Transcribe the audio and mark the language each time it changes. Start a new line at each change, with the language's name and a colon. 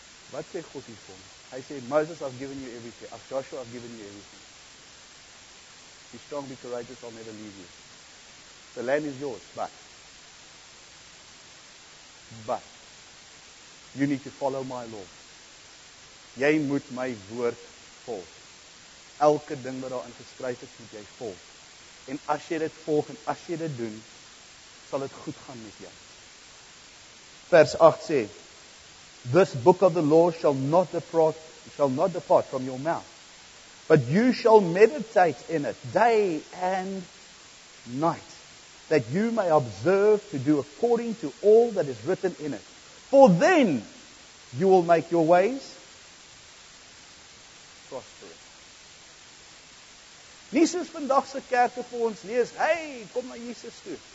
Afrikaans: Wat sê God hier vir my? Hy sê,
English: Moses, I've given you everything. As Joshua, I've given you everything. Be strong, be courageous, I'll never leave you. The land is yours, but you need to follow my law.
Afrikaans: Jy moet my woord volg. Elke ding wat daar ingeskryf is, moet jy volg. En as jy dit volg en as jy dit doen, sal dit goed gaan met jou. Vers 8 sê,
English: this book of the law shall not depart from your mouth, but you shall meditate in it day and night, that you may observe to do according to all that is written in it. For then you will make your ways prosperous.
Afrikaans: Nie soos vandagse kerk te voor ons lees, hey, kom na Jesus toe.